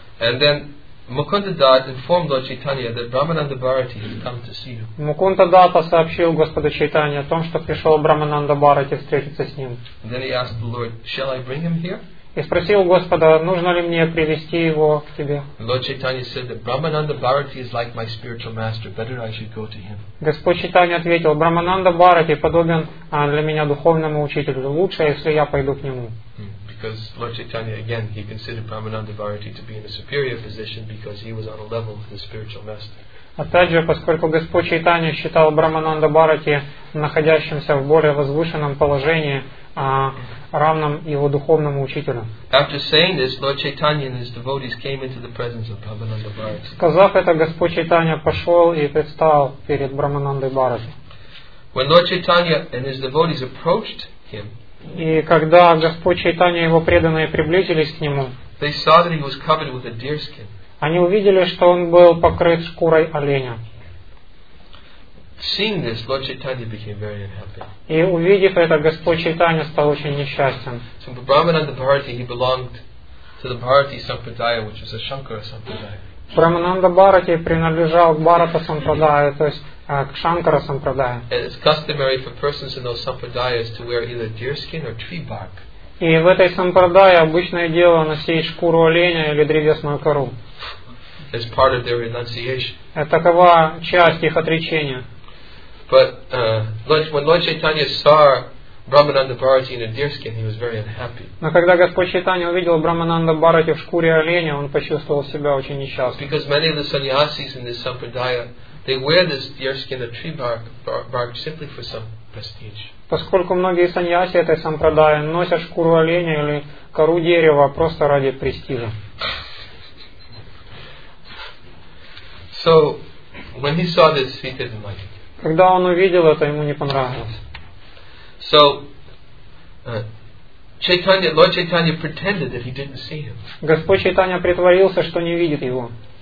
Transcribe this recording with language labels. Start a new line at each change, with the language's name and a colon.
English: And then Mukunda Datta informed Lord Chaitanya that Brahmananda Bharati had come to see him.
Russian: Mukunda Datta сообщил Господу Чайтанье о том, что пришел Брамананда Бхарати встретиться с ним.
English: And then he asked the Lord, "Shall I bring him here?"
Russian: И спросил Господа, нужно ли мне привести его к тебе.
English: Lord Chaitanya said that Brahmananda Bharati is like my spiritual master. Better I should go to him.
Russian: Господь Чайтанья ответил, Брамананда Бхарати подобен для меня духовному учителю. Лучше, если я пойду к нему.
English: Because Lord Chaitanya, again, he considered Brahmananda Bharati to be in a superior position because he was on a level with his spiritual master.
Russian: А также, поскольку Господь Чайтанья считал Брамананда Бхарати находящимся в более возвышенном положении, равным его духовному учителю.
English: After saying this, Lord Chaitanya and his devotees came into the presence of Brahmananda Bharati.
Russian: Сказав это, Господь Чайтанья пошел и предстал перед Брамананда Бхарати.
English: When Lord Chaitanya and his devotees approached him,
Russian: и когда Господь Чайтанья и его преданные приблизились к нему,
English: they saw that he was covered with a deer skin.
Russian: Они увидели, что он был покрыт шкурой оленя.
English: Seeing this, Lord Chaitanya became very unhappy.
Russian: И увидев это, Господь Чайтанья стал очень несчастен.
English: So, Brahmananda Bharati, he belonged to the Bharati Sampradaya, which is a Shankara Sampradaya.
Russian: Брамананда Бхарати принадлежал к Бхарата Сампрадая, то есть к Шанкара Сампрадая.
English: It's customary for persons in those Sampradayas to wear either deerskin or tree bark.
Russian: И в этой Сампрадае обычное дело носить шкуру оленя или древесную кору.
English: As part of their renunciation.
Russian: Такова часть их отречения.
English: But when Lord Chaitanya saw Brahmananda Bharati in a deer skin, he was very unhappy.
Russian: Но когда Господь Чайтанья увидел Брамананда Бхарати в шкуре оленя, он почувствовал себя очень несчастным.
English: Because many of the sannyasis in this sampradaya, they wear this deer skin or tree bark simply for some prestige.
Russian: Поскольку многие саньяси этой сампрадаи носят шкуру оленя или кору дерева просто ради престижа.
English: So, when he saw this, he didn't like it.
Russian: Когда он увидел это, ему не понравилось.
English: So, Lord Chaitanya pretended that he didn't see him.
Russian: Господь Чайтанья притворился, что не видит его.